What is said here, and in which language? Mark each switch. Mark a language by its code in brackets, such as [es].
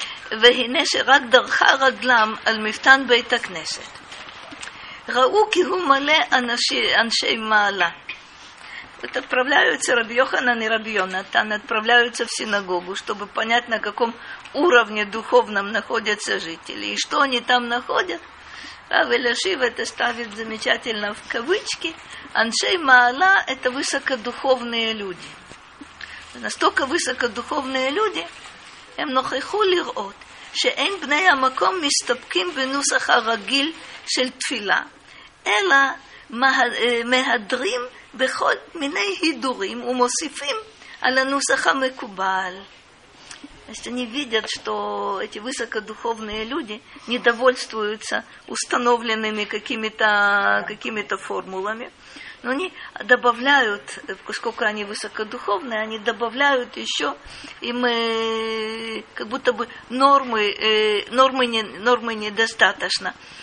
[he] והנה שרק דרכה רגלם על מפתן בית הכנסת. ראו כי הוא מלא אנשי מעלה. [ru] Отправляются Раби Йоханан и Раби Йонатан, отправляются в синагогу, чтобы понять, на каком уровне духовном находятся жители. И что они там находят? Рави Лешив это ставит замечательно в кавычки. Аншей Маала – это высокодуховные люди. Настолько высокодуховные люди [he] – הם נוכחו לראות שאין בני המקום מסתפקים בנוסח הרגיל של תפילה, אלא מהדרים בכל מיני הידורים ומוסיפים על הנוסח המקובל. אז אני [ru] видят, что эти высокодуховные люди не довольствуются установленными какими-то формулами, но они добавляют, поскольку они высокодуховные, они добавляют еще им как будто бы нормы недостаточно.